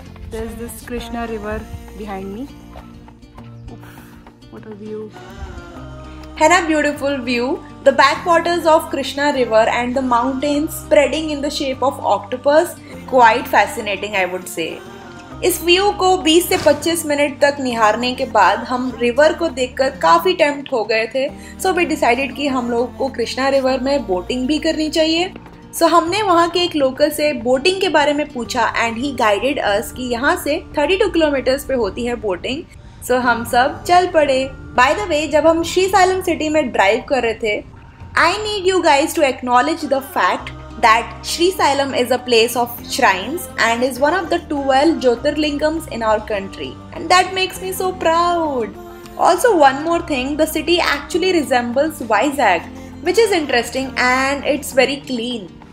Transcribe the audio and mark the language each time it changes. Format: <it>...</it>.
<en>There's this Krishna River behind me. What a view. Had a beautiful view. The backwaters of Krishna River and the mountains spreading in the shape of octopus. Quite fascinating, I would say.</en> <hi>इस view को 20 से 25 minute तक निहारने के बाद हम river को देखकर काफ़ी टेम्प्ट हो गए थे. सो वी डिसाइडेड कि हम लोग को कृष्णा रिवर में बोटिंग भी करनी चाहिए. सो हमने वहाँ के एक लोकल से बोटिंग के बारे में पूछा एंड ही गाइडेड अस कि यहाँ से 32 किलोमीटर्स पे होती है बोटिंग.</hi> <en>सो</en> <hi>हम सब चल पड़े.</hi> <en>by the way,</en> <hi>जब हम श्रीसैलम सिटी में ड्राइव कर रहे थे,</hi> <en>I need you guys to acknowledge the fact that Srisailam is a place of shrines and is one of the 12 jyotirlingams in our country and that makes me so proud. Also, one more thing, the city actually resembles Vizag, which is interesting and it's very clean.</en>